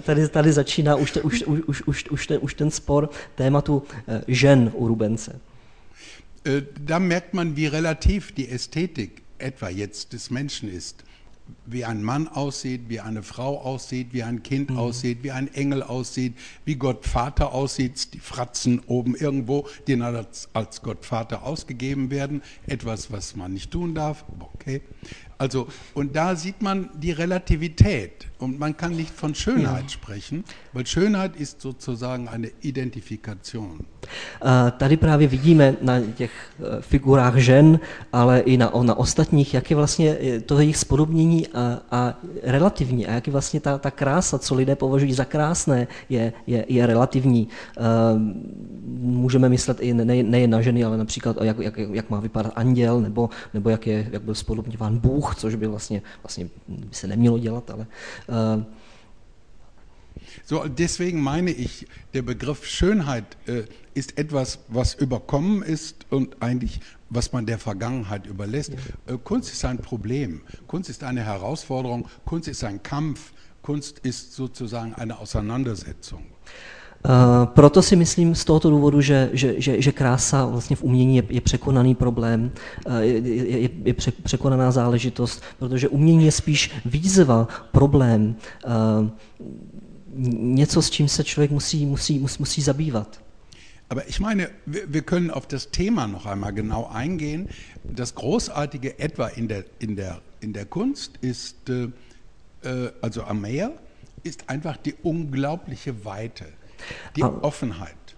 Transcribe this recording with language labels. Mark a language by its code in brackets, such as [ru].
[cs] tady začíná už ten spor tématu žen u Rubense. [de] Da merkt man, wie relativ die Ästhetik etwa jetzt des Menschen ist. Wie ein Mann aussieht, wie eine Frau aussieht, wie ein Kind aussieht, wie ein Engel aussieht, wie Gott Vater aussieht, die Fratzen oben irgendwo, die als Gott Vater ausgegeben werden, etwas, was man nicht tun darf, okay. Also und da sieht man die Relativität und man kann nicht von Schönheit sprechen, weil Schönheit ist sozusagen eine Identifikation. [cs] Tady právě vidíme na těch figurách žen, ale i na, na ostatních, jak je vlastně to jejich spodobnění a relativní, a jak je vlastně ta, ta krása, co lidé považují za krásné, je, je, je relativní. Můžeme myslet i nejen na ženy, ale například jak, jak, jak má vypadat anděl, nebo jak, je, jak byl spodobňován Bůh, což by vlastně, vlastně by se nemělo dělat, ale... [de] So, deswegen meine ich, der Begriff Schönheit ist etwas, was überkommen ist und eigentlich, was man der Vergangenheit überlässt. Kunst ist ein Problem, Kunst ist eine Herausforderung, Kunst ist ein Kampf, Kunst ist sozusagen eine Auseinandersetzung. [cs] Proto si myslím z tohoto důvodu, že krása vlastně v umění je, je překonaný problém, je překonaná záležitost, protože umění je spíš výzva, problém, něco, s čím se člověk musí zabývat. [de] Aber ich meine, wir können auf das Thema noch einmal genau eingehen. Das großartige etwa in der Kunst ist also am Meer ist einfach die unglaubliche Weite, die Offenheit.